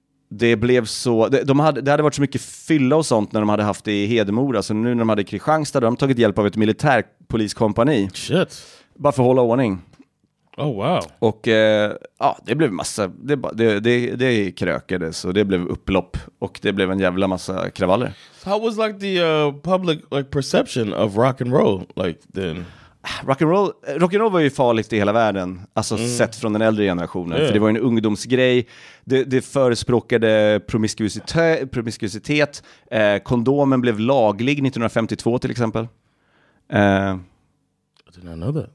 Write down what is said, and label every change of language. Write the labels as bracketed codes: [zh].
[sv] det blev så, det hade varit så mycket fylla och sånt när de hade haft det i Hedemora. Så nu när de hade Kristianstad, de tagit hjälp av ett militärpoliskompani. [en] Shit. [sv] Bara för att hålla ordning. [en] Oh wow. [sv] Och ja, det blev massa, det krökades och det blev upplopp. Och det blev en jävla massa kravaller. [en] How was like the public like perception of rock and roll like then? [sv] Rock and roll var ju farligt i hela världen, alltså sett från den äldre generationen, för det var ju en ungdomsgrej. Det förespråkade promiskuitet. Kondomen blev laglig 1952 till exempel. [en] I did not know that.